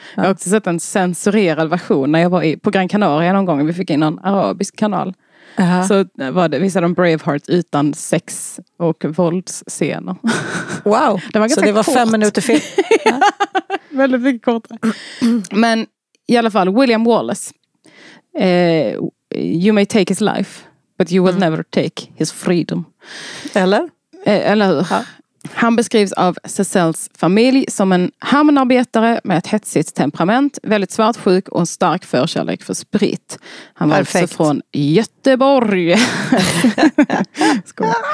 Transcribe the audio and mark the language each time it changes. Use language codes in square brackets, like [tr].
[sv] Jag har också sett en censurerad version när jag var på Gran Canaria någon gång. Vi fick in en arabisk kanal. Uh-huh. Så var det, visade de Braveheart utan sex- och våldsscener. Wow! Det var så det var 5 minuter film. Ja. Väldigt mycket kortare. Men i alla fall, William Wallace. [en] You may take his life, but you will never take his freedom. [sv] Eller? Eller hur? Ja. Han beskrivs av Cecils familj som en hamnarbetare med ett hetsigt temperament, väldigt svartsjuk och en stark förkärlek för sprit. Han var perfekt. Alltså från Göteborg. Skål.